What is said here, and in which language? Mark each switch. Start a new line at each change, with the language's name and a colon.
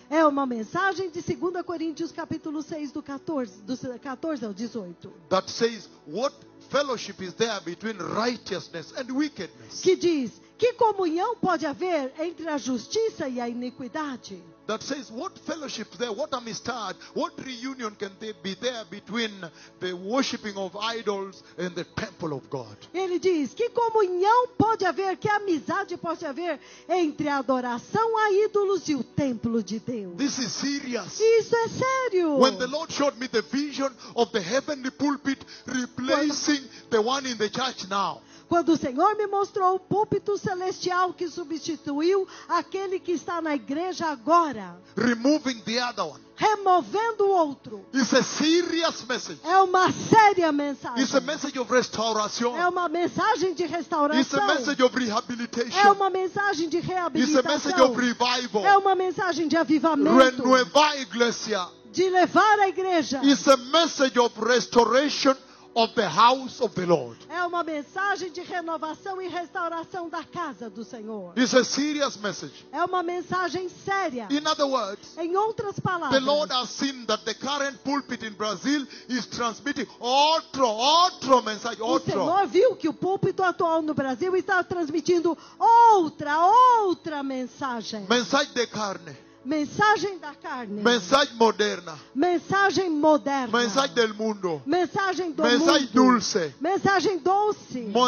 Portuguese: É uma mensagem de 2 Coríntios capítulo 6 do 14 ao 18.
English: That says, what fellowship is there between righteousness and wickedness?
Portuguese: Que diz, que comunhão pode haver entre a justiça e a iniquidade?
English: That says, what fellowship there, what
Spanish: amistad,
English: what reunion can there be there between the worshiping of idols and the temple of God?
Portuguese: Ele diz, que comunhão pode haver, que amizade pode haver entre a adoração a ídolos e o templo de Deus?
English: This is serious.
Portuguese: Isso é sério.
English: When the Lord showed me the vision of the heavenly pulpit replacing the one in the church now.
Portuguese: Quando o Senhor me mostrou o púlpito celestial que substituiu aquele que está na igreja agora.
English: Removing the other one.
Portuguese: Removendo o outro.
English: It's a serious message.
Portuguese: É uma séria mensagem.
English: It's a message of restoration.
Portuguese: É uma mensagem de restauração.
English: It's a message of rehabilitation.
Portuguese: É uma mensagem de reabilitação.
English: It's a message of revival.
Portuguese: É uma mensagem de avivamento. Renovar a igreja. De levar a igreja.
English: It's a message of restoration. Of the house of the Lord.
Portuguese: É uma mensagem de renovação e restauração da casa do Senhor.
English: It's a serious message.
Portuguese: É uma mensagem séria.
English: In other words,
Portuguese: em outras palavras,
English: the Lord has seen that the current pulpit in Brazil is transmitting
Portuguese: outro
English: message,
Portuguese: outro. O Senhor viu que o púlpito atual no Brasil está transmitindo outra mensagem. Mensagem de carne. Mensagem da carne. Mensagem moderna. Mensagem moderna. Mensagem
Spanish: del mundo.
Portuguese: Mensagem do mensagem mundo.
Spanish: Dulce.
Portuguese: Mensagem doce.